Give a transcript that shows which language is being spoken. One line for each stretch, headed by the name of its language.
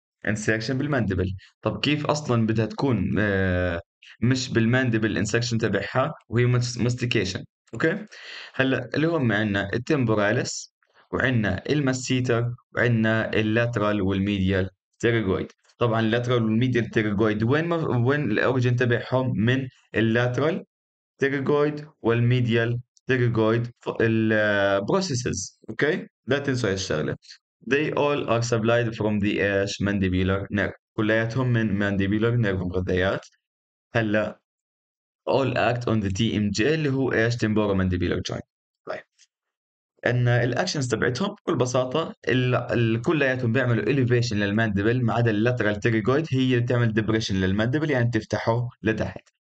Arabic: insertion بالماندبل. طب كيف أصلا بدها تكون مش بالماندبل انسكشن تبعها وهي ماستيكيشن؟ اوكي، هلا اللي هم عندنا التمبوراليس، وعندنا الماسيتر، وعندنا اللاترال والميديال تيراجويد. طبعا اللاترال والميديال تيراجويد وين وين الاوريجن تبعهم؟ من اللاترال تيراجويد والميديال تيراجويد البروسيسز. اوكي، لا تنسوا هالشغله،
English: they all are supplied from the mandibular nerve.
Arabic: كلياتهم من ماندي بيلوغ نيرف مغذيات. هلا
English: all act on the TMJ
Arabic: اللي هو ايش؟ تمبورا مانديبيلر جوينت. طيب ان الاكشنز تبعتهم بكل بساطه كلياتهم بيعملوا اليفيشن للماندبل ما عدا اللاترال تيريجويد، هي اللي بتعمل ديبريشن للماندبل يعني تفتحه لتحت.